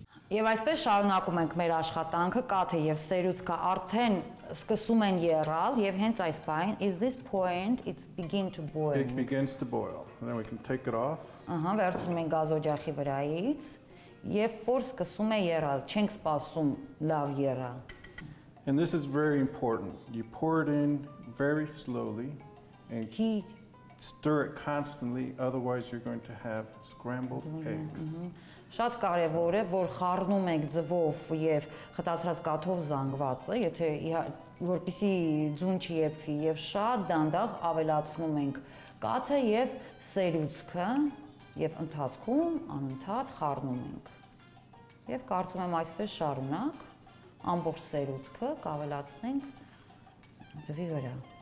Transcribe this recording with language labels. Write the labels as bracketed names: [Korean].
[Armenian] Եվ այսպես շարունակում ենք մեր աշխատանքը, կաթը եւ սերուցքը արդեն սկսում են եռալ եւ հենց այս պահին [English] is this point it's begin to boil. It begins to boil. And then we can take it off. [Armenian] Ահա, վերցնում ենք գազօջախի վրայից եւ որ սկսում է եռալ, չենք սպասում լավ եռալ. [English] And this is very important. You pour it in very slowly and stir it constantly, otherwise you're going to have scrambled eggs. [Armenian] Շատ կարևոր է, որ խառնում եք ձվով եւ խտացած կաթով զանգվածը, եթե որպեսի ձուն չեփվի եւ շատ դանդաղ ավելացնում ենք կաթը եւ սերուցքը եւ ընթացքում անընդհատ խառնում ենք։ Եվ կարծում եմ այսպես շարունակ ամբողջ սերուցքը կավելացնենք ձվի վրա։